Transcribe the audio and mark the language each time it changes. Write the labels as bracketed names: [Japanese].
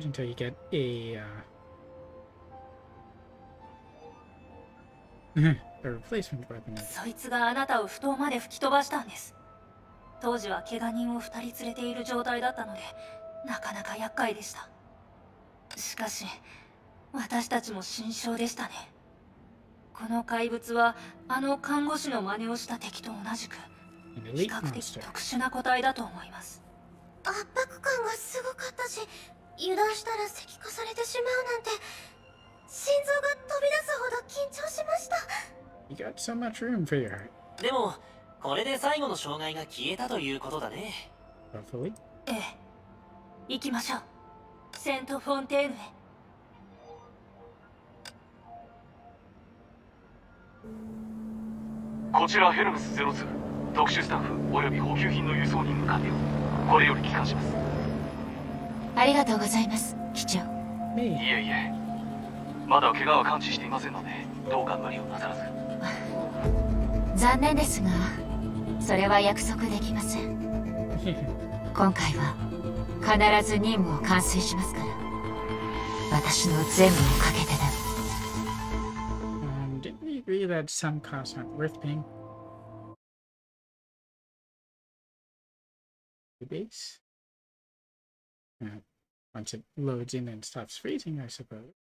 [English] Wait until you get a, a replacement weapon. [Japanese] そいつがあなたを不当まで吹き飛ばしたんです。当時は怪我人を二人連れている状態だったので、なかなか厄介でした。しかし、私たちも心象でしたね。この怪物は、あの看護師の真似をした敵と同じく、比較的特殊な個体だと思います。圧迫感がすごかったし、油断したら石化されてしまうなんて、心臓が飛び出すほど緊張しました。 [English] You got so much room for your heart. [Japanese] でも、これで最後の障害が消えたということだね。 [English] Hopefully. [Japanese] ええ。行きましょう。セントフォンテーヌへ。こちらヘルムスゼロツー。特殊スタッフおよび補給品の輸送に向かってこれより帰還します。ありがとうございます、機長。いえいえ。まだ怪我は完治していませんので、どうか無理をなさらず。残念ですが。それは約束できません。今回は必ず任務を完遂しますから。私の全部をかけてだ。 [English] Didn't we agree that some costs aren't worth paying? The base? Once it loads in and stops freezing, I suppose.